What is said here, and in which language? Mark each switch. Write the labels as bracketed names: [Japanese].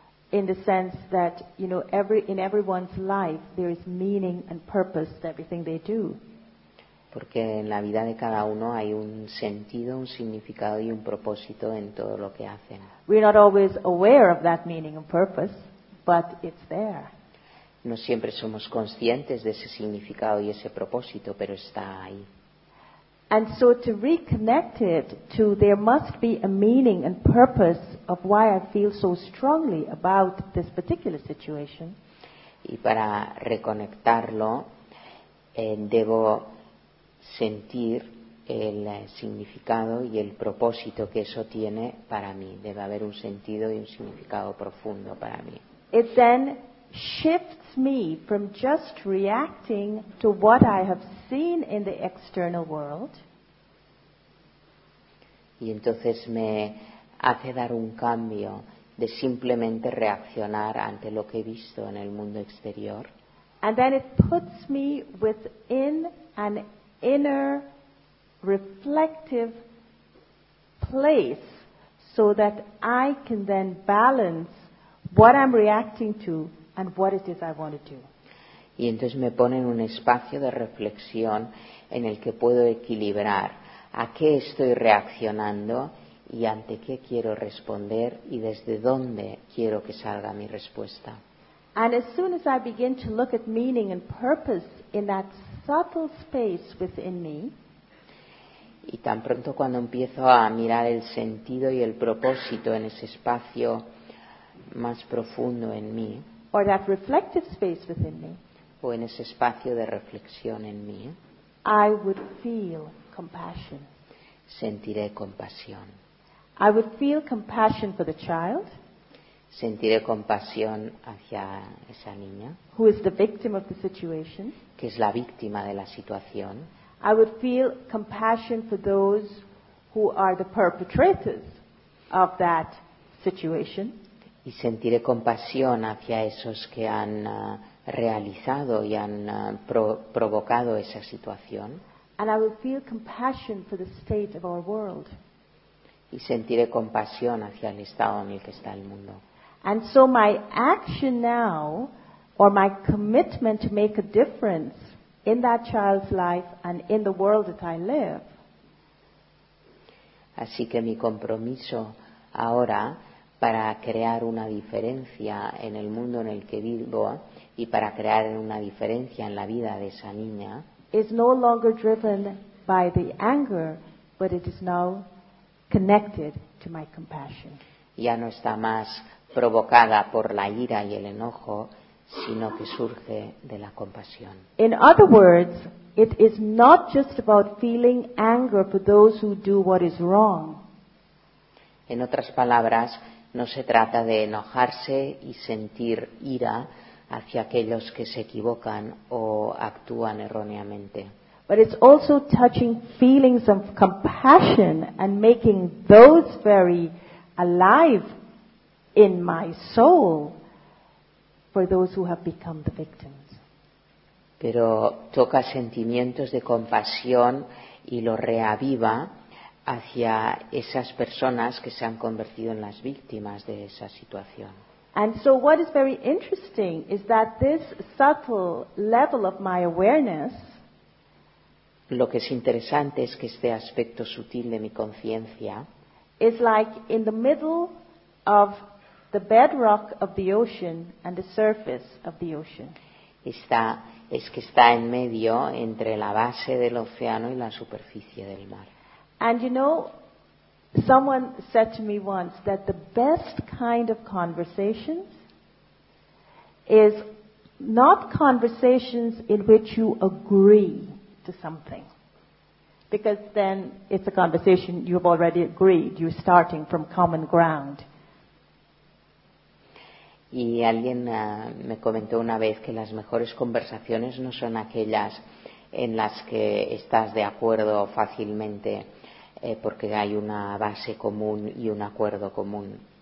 [English] In the sense that, you know, in everyone's life there is meaning and purpose to everything they do. [Spanish] Porque en la vida de cada uno hay un sentido, un significado y un propósito en todo lo que hacen. [English] We're not always aware of that meaning and purpose, but it's there. [Spanish] No siempre somos conscientes de ese significado y ese propósito, pero está ahí. [English] And so to reconnect it to there must be a meaning and purpose of why I feel so strongly about this particular situation. [Spanish] Y para reconectarlo, debo sentir el significado y el propósito que eso tiene para mí. Debe haber un sentido y un significado profundo para mí. [English] It then shifts me from just reacting to what I have seen in the external world. [Spanish] Y entonces me hace dar un cambio de simplemente reaccionar ante lo que he visto en el mundo exterior. [English] And then it puts me within an inner reflective place so that I can then balance what I'm reacting to and what it is I want to do. [Spanish] Y entonces me pone en un espacio de reflexión en el que puedo equilibrar a qué estoy reaccionando y ante qué quiero responder y desde dónde quiero que salga mi respuesta. [English] And as soon as I begin to look at meaning and purpose in that subtle space within me, [Spanish] y tan pronto cuando empiezo a mirar el sentido y el propósito en ese espacio más profundo en mí, [English] or that reflective space within me, [Spanish] o en ese espacio de reflexión en mí, [English] I would feel compassion. [Spanish] Sentiré compasión. [English] I would feel compassion for the child. [Spanish] Sentiré compasión hacia esa niña. [English] Who is the victim of the situation? [Spanish] Que es la víctima de la situación. [English] I would feel compassion for those who are the perpetrators of that situation. [Spanish] Y sentiré compasión hacia esos que han realizado y han provocado esa situación. [English] And I would feel compassion for the state of our world. [Spanish] Y sentiré compasión hacia el estado en el que está el mundo. [English] And so my action now, or my commitment to make a difference in that child's life and in the world that I live. [Spanish] Así que mi compromiso ahora para crear una diferencia en el mundo en el que vivo y para crear una diferencia en la vida de esa niña [English] is no longer driven by the anger, but it is now connected to my compassion. [Spanish] Ya no está más provocada por la ira y el enojo, sino que surge de la compasión. [English] In other words, it is not just about feeling anger for those who do what is wrong. [Spanish] En otras palabras, no se trata de enojarse y sentir ira hacia aquellos que se equivocan o actúan erróneamente. [English] But it's also touching feelings of compassion and making those very alive in my soul for those who have become the victims. [Spanish] Pero toca sentimientos de compasión y lo reaviva hacia esas personas que se han convertido en las víctimas de esa situación. [English] And so what is very interesting is that this subtle level of my awareness, [Spanish] lo que es interesante es que este aspecto sutil de mi conciencia, [English] is like in the middle of the bedrock of the ocean and the surface of the ocean. [Spanish] Está en medio entre la base del océano y la superficie del mar. [English] And you know, someone said to me once that the best kind of conversations is not conversations in which you agree to something. Because then it's a conversation you've already agreed, you're starting from common ground. [Spanish] Y alguien me comentó una vez que las mejores conversaciones no son aquellas en las que estás de acuerdo fácilmente, porque hay una base común y un acuerdo común.